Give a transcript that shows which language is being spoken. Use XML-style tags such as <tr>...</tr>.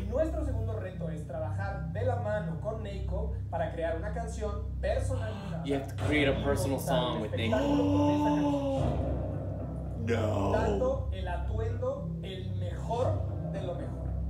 <es>Nuestro segundo reto es trabajar de la mano con Neiko para crear una canción personalizada.</es> <en>You have to create a personal song with Neiko.</en> <es>No. Dando el atuendo el mejor de lo mejor.</es>